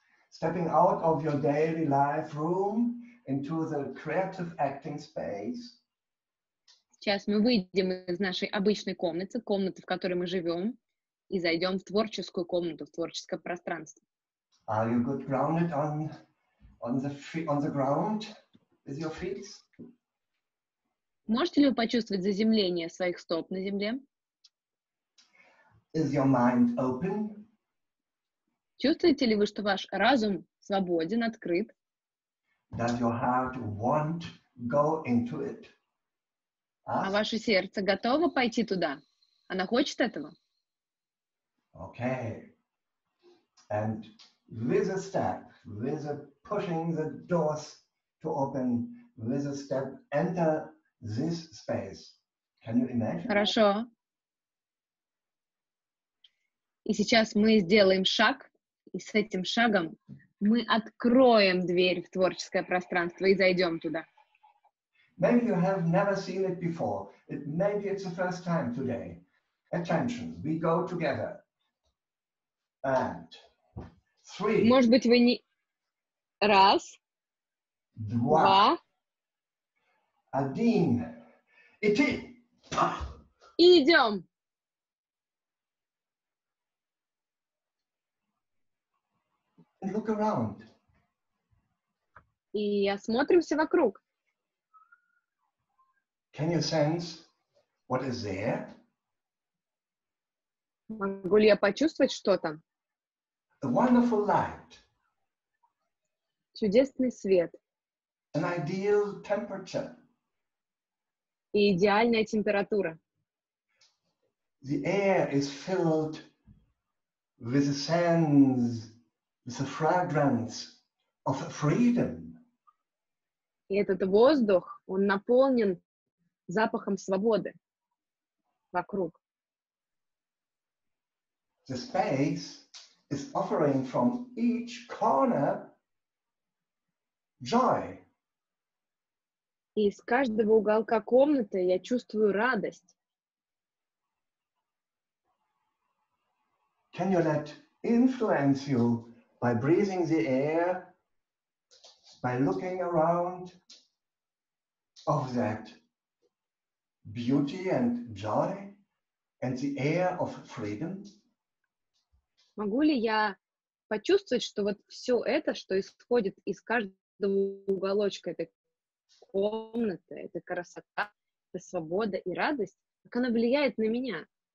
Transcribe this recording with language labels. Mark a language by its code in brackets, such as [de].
[en] Stepping out of your daily life room into the creative acting space. [ru] Сейчас мы выйдем из нашей обычной комнаты, комнаты, в которой мы живем, и зайдем в творческую комнату, в творческое пространство. [en] Are you good grounded on the ground with your feet? [ru] Можете ли вы почувствовать заземление своих стоп на земле? [en] Is your mind open? [ru] Чувствуете ли вы, что ваш разум свободен, открыт? [en] Does your heart want go into it? [ru] А ваше сердце готово пойти туда? Оно хочет этого? [en] Okay. And with a step, with a pushing the doors to open, with a step, enter this space. Can you imagine? [ru] Хорошо. И сейчас мы сделаем шаг, и с этим шагом мы откроем дверь в творческое пространство и зайдем туда. [en] Maybe you have never seen it before. Maybe it's the first time today. Attention, we go together. And three. [ru] Может быть, вы не... Раз. Два. Один. Идти. И идем. [en] And look around. [ru] И осмотримся вокруг. [en] Can you sense what is there? [ru] Могу ли я почувствовать что-то? [en] A wonderful light. [ru] Чудесный свет. [en] An ideal temperature. [ru] И идеальная температура. [en] The air is filled with the scents, with the fragrance of freedom. [ru] И этот воздух, он наполнен запахом свободы вокруг. [en] The space is offering from each corner joy. [ru] И из каждого уголка комнаты я чувствую радость. [en] Can you let influence you by breathing the air, by looking around of that beauty and joy and the air of freedom? [ru] Могу ли я почувствовать, что вот все это, что исходит из каждого уголочка этой комнаты, это красота, это свобода и радость, как она влияет на меня?